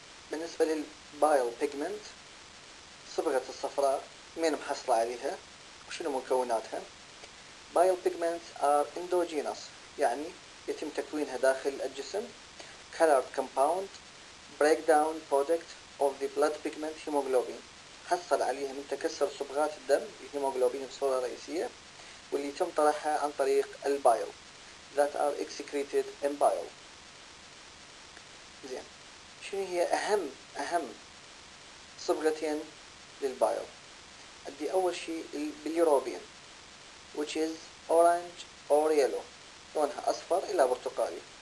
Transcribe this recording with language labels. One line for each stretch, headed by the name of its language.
Arabic: بالنسبة للبايل بيجمنت صبغة الصفراء مين محصلة عليها وشنو مكوناتها؟ بايل بيجمنت ار اندوجينوس يعني يتم تكوينها داخل الجسم.
English: colored compound breakdown product of the blood pigment hemoglobin.
Arabic: حصل عليها من تكسر صبغات الدم الهيموغلوبين بصورة رئيسية واللي تم طرحها عن طريق البايل
English: that are excreted in bile.
Arabic: زين شنو هي أهم صبغتين للبايل؟ عندي أول شيء البيليروبين
English: which is orange or yellow،
Arabic: لونها أصفر إلى برتقالي.